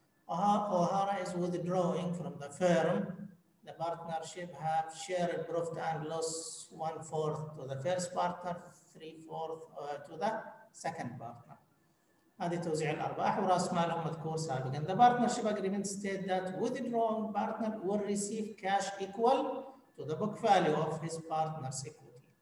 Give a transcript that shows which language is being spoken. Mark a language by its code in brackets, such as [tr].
[en] O'Hara is withdrawing from the firm. The partnership have shared profit and loss 1/4 to the first partner, 3/4 to the second partner. [ar] هذه توزيع الأرباح ورأس مالهم مذكور سابقا. [en] The partnership agreement state that withdrawing partner will receive cash equal to the book value of his partner's equity.